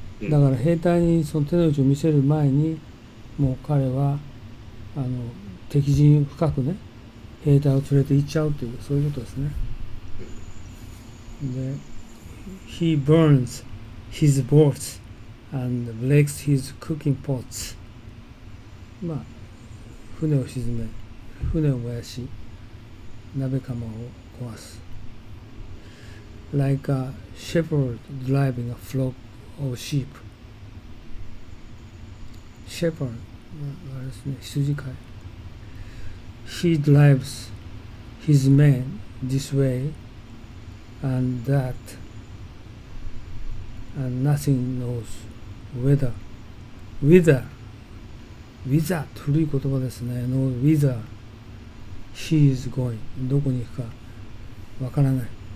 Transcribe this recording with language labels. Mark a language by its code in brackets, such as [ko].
[ja] だから兵隊にその手の内を見せる前に、もう彼は敵陣深くね、兵隊を連れて行っちゃうという、そういうことですね。 [en] で、He burns his boats and breaks his cooking pots。 [ja] まあ、船を沈め、船を燃やし、鍋釜を壊す。 [en] Like a shepherd driving a flock of sheep。 [ja] シェパード、あれですね、羊飼い。 [en] He drives his men this way and that and nothing knows whether。 [ja] Whither、 Whither、 古い言葉ですね。 [en] No whither he is going、 [ja] どこに行くかわからない。